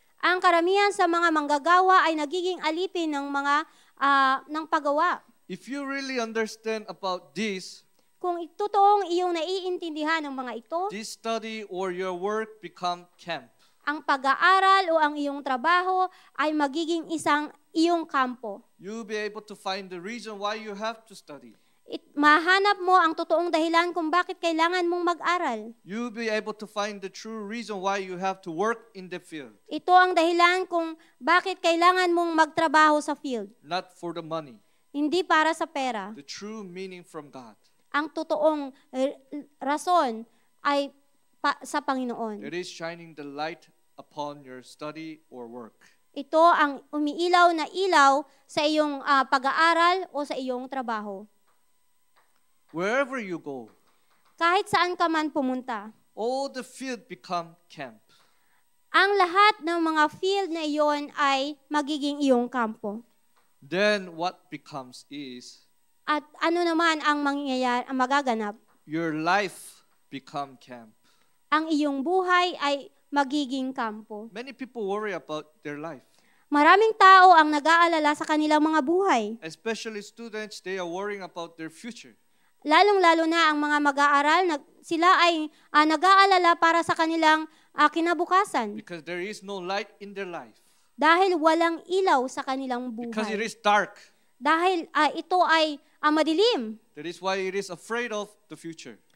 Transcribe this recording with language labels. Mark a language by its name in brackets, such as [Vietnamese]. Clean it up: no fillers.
[Filipino] Ang karamihan sa mga manggagawa ay nagiging alipin ng mga ng paggawa. [English] If you really understand about this, [Filipino] kung totoong iyong naiintindihan ng mga ito, [English] this study or your work become camp. [Filipino] Ang pag-aaral o ang iyong trabaho ay magiging isang iyong kampo. [English] You'll be able to find the reason why you have to study. [Filipino] Mahanap mo ang totoong dahilan kung bakit kailangan mong mag-aral. [English] You'll be able to find the true reason why you have to work in the field. [Filipino] Ito ang dahilan kung bakit kailangan mong magtrabaho sa field. [English] Not for the money. [Filipino] Hindi para sa pera. [English] The true meaning from God. [Filipino] Ang totoong rason ay sa Panginoon. [English] It is shining the light upon your study or work. [Filipino] Ito ang umiilaw na ilaw sa iyong pag-aaral o sa iyong trabaho. [English] Wherever you go, [Filipino] kahit saan ka man pumunta, [English] all the field become camp. [Filipino] Ang lahat ng mga field na iyon ay magiging iyong kampo. [English] Then what becomes is, [Filipino] at ano naman ang mangyayari, ang magaganap? [English] Your life become camp. [Filipino] Ang iyong buhay ay magiging kampo. [English] Many people worry about their life. [Filipino] Maraming tao ang nag-aalala sa kanilang mga buhay. [English] Especially students, they are worrying about their future. [Filipino] Lalong-lalo na ang mga mag-aaral, sila ay nag-aalala para sa kanilang kinabukasan. [English] Because there is no light in their life. [Filipino] Dahil walang ilaw sa kanilang buhay. [English] Because it is dark. [Filipino] Dahil ito ay madilim. [English] That is why it is afraid of the future.